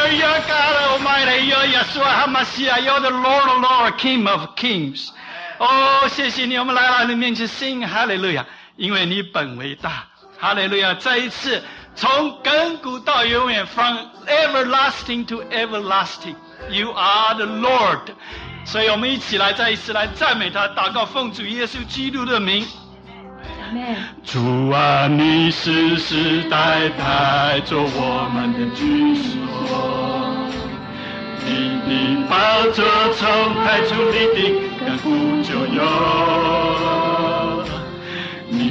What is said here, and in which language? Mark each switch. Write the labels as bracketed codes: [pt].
[en] You're the Lord of Lords, King of Kings. [zh] Oh, 谢谢你，我们来到你面前 [en] sing Hallelujah, [zh] 因为你本为大。 Hallelujah, 再一次，从亘古到永远， [en] from everlasting to everlasting, You are the Lord. [zh] 所以我们一起来，再一次来赞美他，祷告奉主耶稣基督的名。 [en] Amen. [zh] 主啊，你世世代代做我们的居所。你的宝座从太初立定，亘古就有。